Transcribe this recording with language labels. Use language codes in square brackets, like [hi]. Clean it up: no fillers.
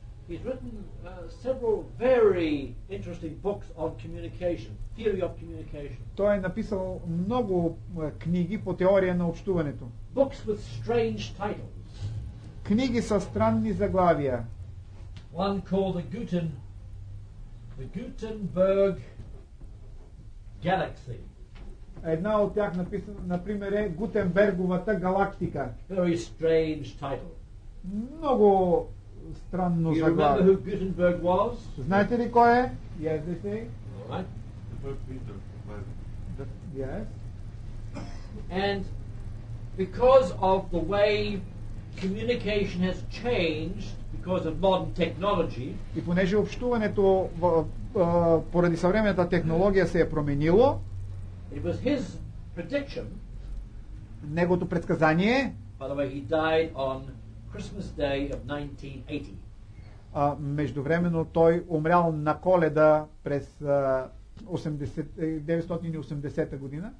[en] He's written several very interesting books on communication, theory of communication. [bg] Той е написал много книги по теория на общуването. [en] Books with strange titles. [bg] Книги със странни заглавия. [en] One called the Gutenberg Galaxy. [bg] Една от тях написана, например, е Гутенберговата галактика. [en] Very strange title. [bg] Много странно заглавие. [en] Remember who Gutenberg was? [bg] Знаете ли кой е? [en] Yes, they say. Right. Yes. And because of the way communication has changed because of modern technology. [bg] И понеже общуването поради съвременната технология се е променило. [en] It was his prediction. [bg] Неговото предсказание. [en] By the way, he died on Christmas Day of 1980. [bg] Междувременно той умрял на Коледа през 1980 година.